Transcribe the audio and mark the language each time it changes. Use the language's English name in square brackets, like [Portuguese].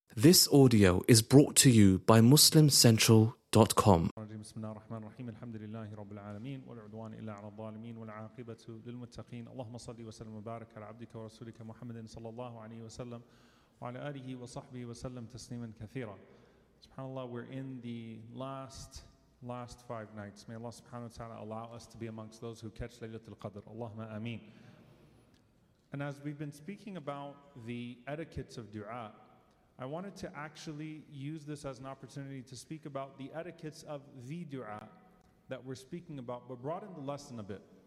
[English] This audio is brought to you by MuslimCentral.com. [Arabic] بسم الله الرحمن الرحيم الحمد لله رب العالمين والعدوان إلا على الظالمين والعاقبة للمتقين اللهم صل وسلم وبارك على عبدك ورسولك محمد صلى الله عليه وسلم وعلى آله وصحبه وسلم تسليما كثيرا. [English] سبحان الله, we're in the last five nights. May Allah subhanahu wa ta'ala allow us to be amongst those who catch Laylatul Qadr. Allahumma ameen. And as we've been speaking about the etiquettes of dua, I wanted to actually use this as an opportunity to speak about the etiquettes of the dua that we're speaking about, but broaden the lesson a bit.